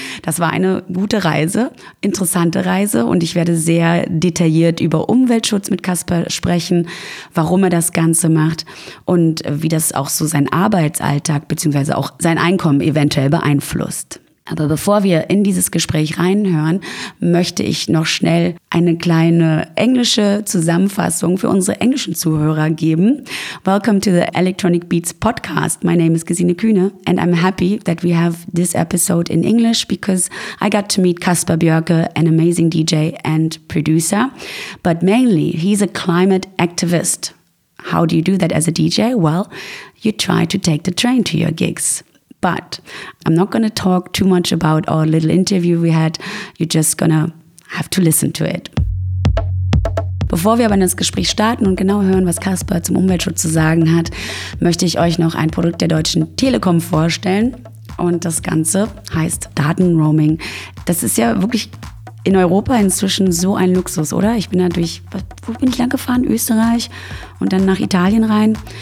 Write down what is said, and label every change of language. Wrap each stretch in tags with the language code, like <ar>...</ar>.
<de>Das war eine gute Reise, interessante Reise. Und ich werde sehr detailliert über Umweltschutz mit Kasper sprechen, warum er das Ganze macht und wie das auch so seinen Arbeitsalltag bzw. auch sein Einkommen eventuell beeinflusst. Aber bevor wir in dieses Gespräch reinhören, möchte ich noch schnell eine kleine englische Zusammenfassung für unsere englischen Zuhörer geben.</de> <en>Welcome to the Electronic Beats Podcast. My name is Gesine Kühne and I'm happy that we have this episode in English because I got to meet Kasper Björke, an amazing DJ and producer. But mainly, he's a climate activist. How do you do that as a DJ? Well, you try to take the train to your gigs. But I'm not going to talk too much about our little interview we had. You're just going to have to listen to it.</en> <de>Bevor wir aber in das Gespräch starten und genau hören, was Kasper zum Umweltschutz zu sagen hat, möchte ich euch noch ein Produkt der Deutschen Telekom vorstellen. Und das Ganze heißt Datenroaming. Das ist ja wirklich in Europa inzwischen so ein Luxus, oder? Ich bin da durch, wo bin ich lang gefahren? Österreich und dann nach Italien rein.</de>